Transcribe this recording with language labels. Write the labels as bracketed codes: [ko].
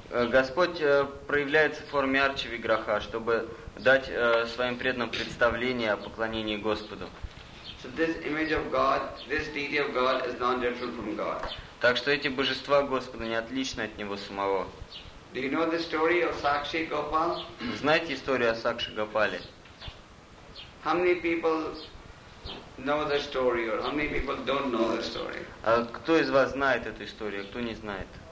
[ru] Господь проявляется в форме Арчи Виграха, чтобы дать своим преданным представление о поклонении Господу. [en] So this image of God, this deity of God is not different from God. [ru] Так что эти божества Господа не отличны от Него самого. [en] Do you know the story of Sakshi Gopal? [ru] Знаете историю о Сакши Гопале? [en] How many people know the story or how many people don't know the story? [ru] А кто из вас знает эту историю, кто не знает?